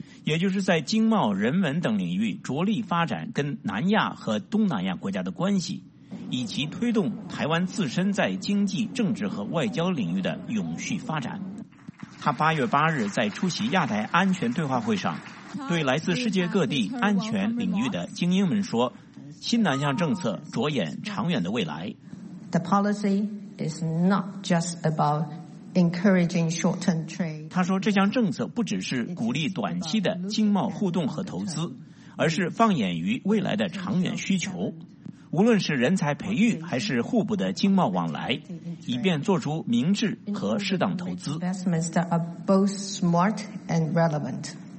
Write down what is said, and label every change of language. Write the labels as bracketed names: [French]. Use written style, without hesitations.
[Chinese] 也就是在经贸、人文等领域着力发展跟南亚和东南亚国家的关系，以及推动台湾自身在经济、政治和外交领域的永续发展。他8月8日在出席亚太安全对话会上，对来自世界各地安全领域的精英们说，新南向政策着眼长远的未来。 [English] The policy is not just about encouraging short-term trade. [Chinese] 他说这项政策不只是鼓励短期的经贸互动和投资，而是放眼于未来的长远需求，无论是人才培育还是互补的经贸往来，以便做出明智和适当投资。 [English] Investments that are both smart and relevant.